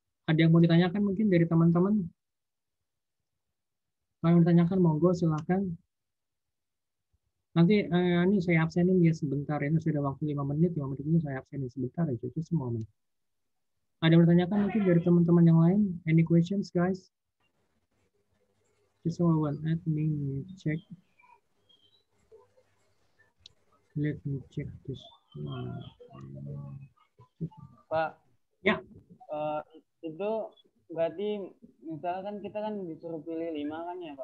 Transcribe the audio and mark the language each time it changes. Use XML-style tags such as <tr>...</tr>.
<id>Ada yang mau ditanyakan mungkin dari teman-teman? Kalau mau ditanyakan monggo silakan. Nanti ini saya absenin ya sebentar, ini sudah waktu 5 menit, 5 menit ini saya absenin sebentar aja,</id> <en>just a moment.</en> <id>Ada yang ditanyakan mungkin dari teman-teman yang lain?</id> <en>Any questions guys? Just a moment, let me check this.</en> <id>Pak, ya. Itu berarti misalkan kita kan disuruh pilih 5 kan ya Pak?</id>